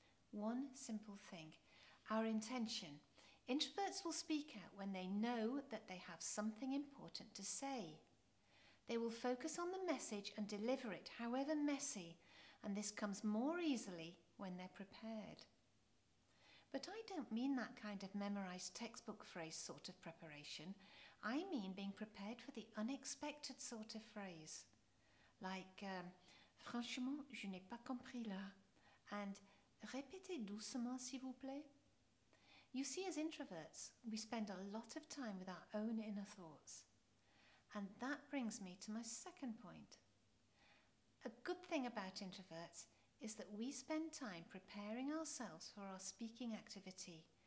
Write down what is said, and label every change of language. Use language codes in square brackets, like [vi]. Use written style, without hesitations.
[en] One simple thing, our intention. Introverts will speak out when they know that they have something important to say. They will focus on the message and deliver it, however messy, and this comes more easily when they're prepared. But I don't mean that kind of memorized textbook phrase sort of preparation. I mean being prepared for the unexpected sort of phrase, like [fr] franchement, je n'ai pas compris là, [en] and [fr] répétez doucement, s'il vous plaît. [en] You see, as introverts, we spend a lot of time with our own inner thoughts. And that brings me to my second point. A good thing about introverts is that we spend time preparing ourselves for our speaking activity.